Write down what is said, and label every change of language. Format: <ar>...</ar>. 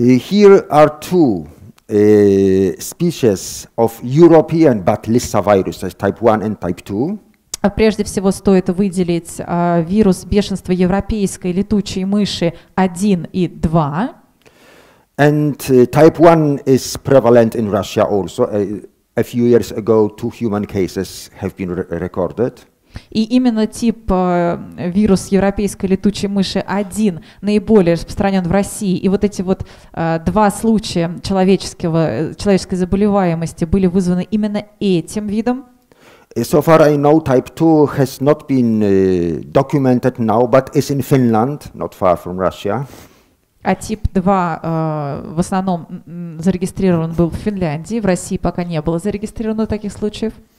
<en>Here are two species of European bat lysaviruses, type 1 and type 2.</en> <ru>Прежде всего стоит выделить вирус бешенства европейской летучей мыши 1 и 2.</ru> <en>And type 1 is prevalent in Russia also. A few years ago, two human cases have been recorded.</en> <ru>И именно тип вирус европейской летучей мыши 1 наиболее распространен в России. И вот эти вот два случая человеческой заболеваемости были вызваны именно этим видом.</ru> <en>So far I know type 2 has not been documented now, but is in Finland, not far from Russia.</en> <ru>А тип 2 в основном зарегистрирован был в Финляндии, в России пока не было зарегистрировано таких случаев.</ru>